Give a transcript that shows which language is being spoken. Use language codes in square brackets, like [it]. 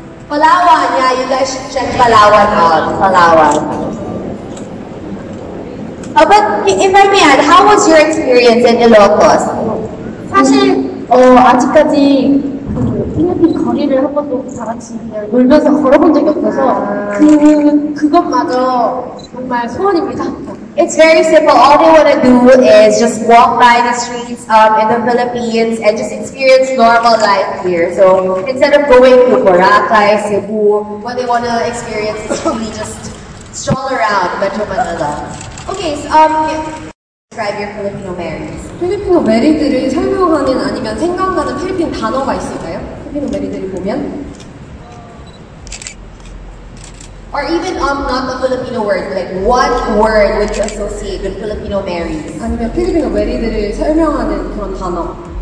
[en] Palawan. Yeah, you guys should check Palawan out. But if I may add, how was your experience in Ilocos? [ko] 사실 아직까지 필리핀 거리를 한 번도 다 같이 놀면서 걸어본 적이 없어서 그것마저 정말 소원입니다. [en] It's very simple. All they want to do is just walk by the streets in the Philippines and just experience normal life here. So instead of going to Boracay, Cebu, what they want to experience is really just stroll around Metro Manila. Okay, so describe your Filipino marriage. [ko] Filipino marriage를 설명하는 아니면 생각나는 필리핀 단어가 있을까요? Filipino marriage를 보면. [en] Or even not the Filipino word, like what word would you associate with Filipino marriage? [ko] 아니면 필리핀어 메리들을 설명하는 그런 단어.